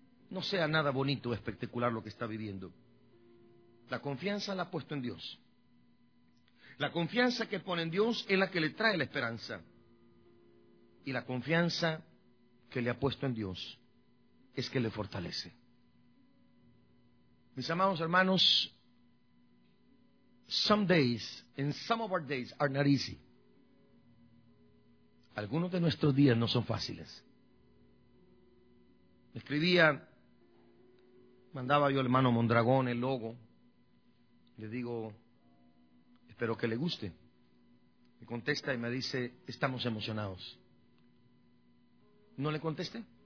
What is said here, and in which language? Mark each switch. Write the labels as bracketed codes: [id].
[es] no sea nada bonito o espectacular lo que está viviendo. La confianza la ha puesto en Dios. La confianza que pone en Dios es la que le trae la esperanza. Y la confianza que le ha puesto en Dios es que le fortalece. Mis amados hermanos, [en] some days and some of our days are not easy. [es] Algunos de nuestros días no son fáciles. Me escribía, mandaba yo al hermano Mondragón el logo. Le digo, espero que le guste. Me contesta y me dice, estamos emocionados. ¿No le conteste?